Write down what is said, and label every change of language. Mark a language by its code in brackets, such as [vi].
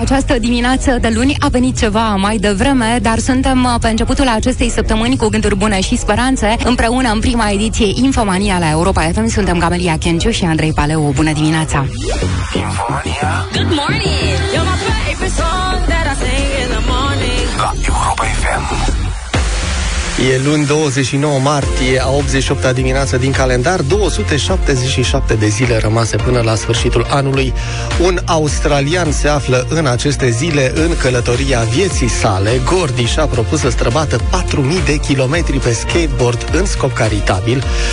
[ro] Această dimineață de luni a venit ceva mai devreme, dar suntem pe începutul acestei săptămâni cu gânduri bune și speranțe. Împreună în prima ediție Infomania la Europa FM suntem Gabriela Chenciu și Andrei Paleu. Bună dimineața! [en] Infomania? Good morning! You're my favorite song that I sing in the morning. [ro] La Europa FM. E luni 29 martie, a 88-a dimineață din calendar, 277 de zile rămase până la sfârșitul anului. Un australian se află în aceste zile în călătoria vieții sale. Gordy și-a propus să străbată 4.000 de kilometri pe skateboard în scop caritabil.